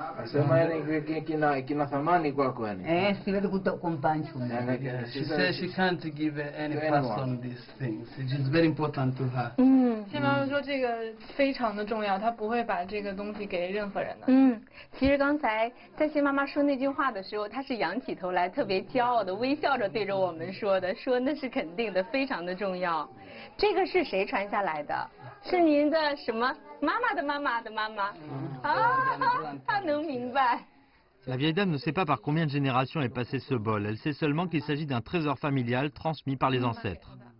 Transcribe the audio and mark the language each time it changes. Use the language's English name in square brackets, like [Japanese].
[English] She says she can't give any pass on these things. It is very important to her. [Chinese] 新妈妈说这个非常的重要，她不会把这个东西给任何人的。其实刚才在新妈妈说那句话的时候，她是扬起头来，特别骄傲的微笑着对着我们说的，说那是肯定的，非常的重要。这个是谁传下来的？是您的什么妈妈的妈妈的妈妈啊，她能明白。 [French] La vieille dame ne sait pas par combien de générations est passé ce bol. Elle sait seulement qu'il s'agit d'un trésor familial transmis par les ancêtres.